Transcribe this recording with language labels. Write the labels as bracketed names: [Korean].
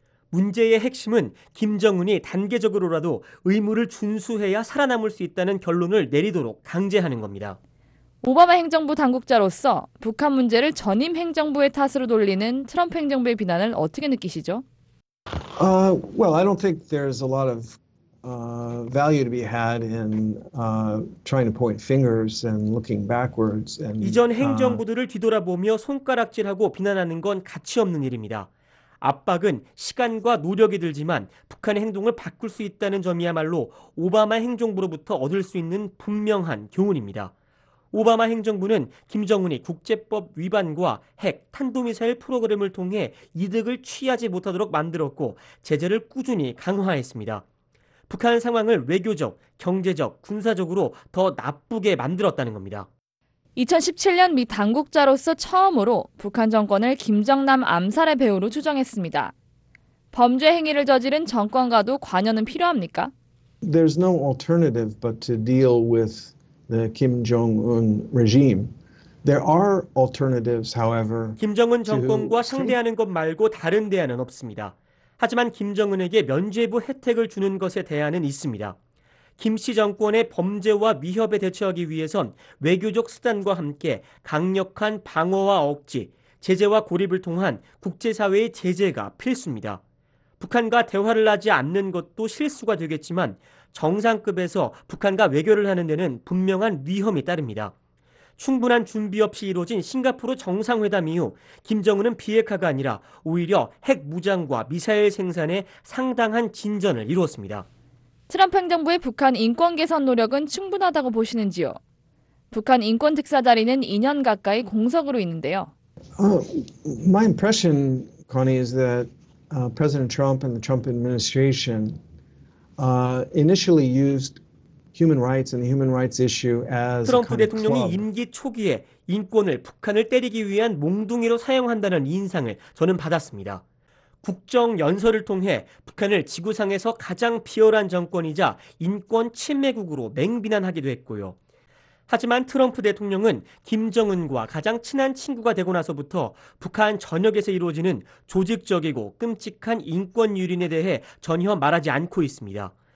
[Korean] 문제의 핵심은 김정은이 단계적으로라도 의무를 준수해야 살아남을 수 있다는 결론을 내리도록 강제하는 겁니다. 오바마 행정부 당국자로서 북한 문제를 전임 행정부의 탓으로 돌리는 트럼프 행정부의 비난을 어떻게 느끼시죠? [English] Well, I don't think there's a lot of value to be had in trying to point fingers and looking backwards. And, [Korean] 이전 행정부들을 뒤돌아보며 손가락질하고 비난하는 건 가치 없는 일입니다. 압박은 시간과 노력이 들지만 북한의 행동을 바꿀 수 있다는 점이야말로 오바마 행정부로부터 얻을 수 있는 분명한 교훈입니다. 오바마 행정부는 김정은이 국제법 위반과 핵, 탄도미사일 프로그램을 통해 이득을 취하지 못하도록 만들었고 제재를 꾸준히 강화했습니다. 북한 상황을 외교적, 경제적, 군사적으로 더 나쁘게 만들었다는 겁니다. 2017년 미 당국자로서 처음으로 북한 정권을 김정남 암살의 배후로 추정했습니다. 범죄 행위를 저지른 정권과도 관여는 필요합니까? [English] There's no alternative but to deal with the Kim Jong-un regime. There are alternatives, however. [Korean] 김정은 정권과 상대하는 것 말고 다른 대안은 없습니다. 하지만 김정은에게 면죄부 혜택을 주는 것에 대안은 있습니다. 김 씨 정권의 범죄와 위협에 대처하기 위해선 외교적 수단과 함께 강력한 방어와 억지, 제재와 고립을 통한 국제사회의 제재가 필수입니다. 북한과 대화를 하지 않는 것도 실수가 되겠지만 정상급에서 북한과 외교를 하는 데는 분명한 위험이 따릅니다. 충분한 준비 없이 이루어진 싱가포르 정상회담 이후 김정은은 비핵화가 아니라 오히려 핵 무장과 미사일 생산에 상당한 진전을 이루었습니다. 트럼프 행정부의 북한 인권 개선 노력은 충분하다고 보시는지요? 북한 인권 특사 자리는 2년 가까이 공석으로 있는데요. [English] My impression, Connie, is that President Trump and the Trump administration initially used human rights and the human rights issue as a kind of club. [Korean] 트럼프 대통령이 임기 초기에 인권을 북한을 때리기 위한 몽둥이로 사용한다는 인상을 저는 받았습니다. 국정 연설을 통해 북한을 지구상에서 가장 비열한 정권이자 인권 침해국으로 맹비난하기도 했고요. 하지만 트럼프 대통령은 김정은과 가장 친한 친구가 되고 나서부터 북한 전역에서 이루어지는 조직적이고 끔찍한 인권 유린에 대해 전혀 말하지 않고 있습니다.